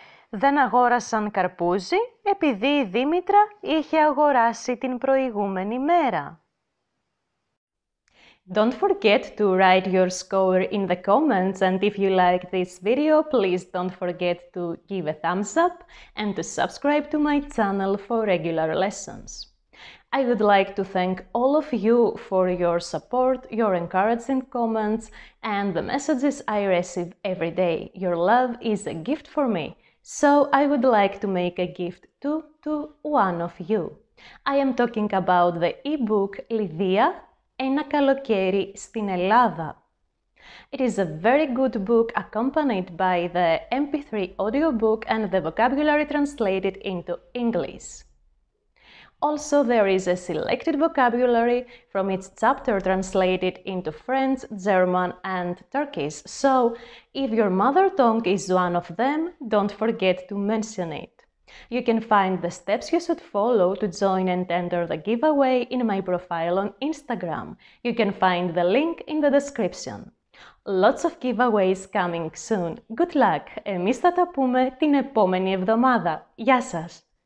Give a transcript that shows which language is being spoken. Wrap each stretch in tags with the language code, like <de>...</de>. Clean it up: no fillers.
<el>Δεν αγόρασαν καρπούζι επειδή η Δήμητρα είχε αγοράσει την προηγούμενη μέρα.</el> <en>Don't forget to write your score in the comments, and if you like this video, please don't forget to give a thumbs up and to subscribe to my channel for regular lessons. I would like to thank all of you for your support, your encouraging comments, and the messages I receive every day. Your love is a gift for me, so I would like to make a gift to one of you. I am talking about the ebook Lydia, Ένα καλοκαίρι στην Ελλάδα. It is a very good book accompanied by the MP3 audiobook and the vocabulary translated into English. Also, there is a selected vocabulary from each chapter translated into French, German and Turkish. So, if your mother tongue is one of them, don't forget to mention it. You can find the steps you should follow to join and enter the giveaway in my profile on Instagram. You can find the link in the description. Lots of giveaways coming soon. Good luck!</en> <el>Εμείς θα τα πούμε την επόμενη εβδομάδα. Γεια σας!</el>